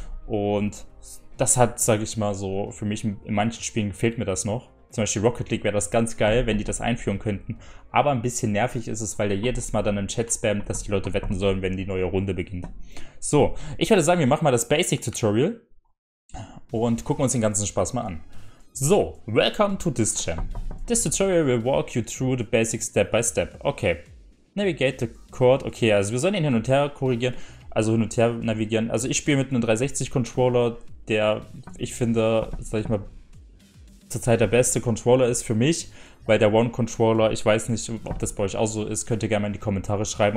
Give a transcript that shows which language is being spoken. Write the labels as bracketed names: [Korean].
[German] Und das hat, sag ich mal, so für mich in manchen Spielen fehlt mir das noch. Zum Beispiel Rocket League wäre das ganz geil, wenn die das einführen könnten. Aber ein bisschen nervig ist es, weil der jedes Mal dann im Chat spammt, dass die Leute wetten sollen, wenn die neue Runde beginnt. So, ich würde sagen, wir machen mal das Basic-Tutorial und gucken uns den ganzen Spaß mal an. [English] So, welcome to this channel. This tutorial will walk you through the basics step by step. Okay. Navigate the court. [German] Okay, also wir sollen ihn hin und her korrigieren. Also hin und her navigieren. Also ich spiele mit einem 360-Controller, der, ich finde, sag ich mal, zurzeit der beste Controller ist für mich. Weil der One-Controller, ich weiß nicht, ob das bei euch auch so ist, könnt ihr gerne mal in die Kommentare schreiben.